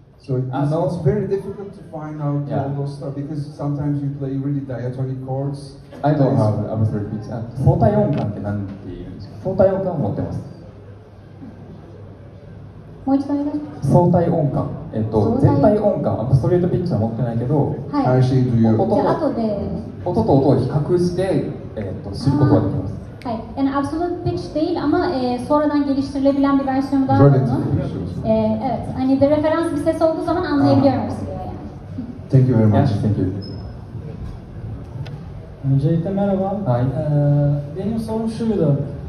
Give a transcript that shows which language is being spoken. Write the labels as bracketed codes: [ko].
[en] So it's, it's very difficult to find out all those stuff because sometimes you play really diatonic chords. I don't have absolute pitch. [ja] 相対音感って何っていう、相対音感を持ってます。もう一度言います。相対音感、全体音感、アブソリュートピッチは持ってないけど、はい、音と、じゃあ後で音と音を比較して、知ることができます。 [tr] はい、yani absolute pitch değil ama sonradan geliştirilebilen bir versiyonu daha var mı? Evet, hani de referans bir ses olduğu zaman anlayabiliyor musunuz? [en] Thank you very much. Yes, thank you. [tr] Öncelikle merhaba. [en] Hi. [tr] Benim sorum şuydu.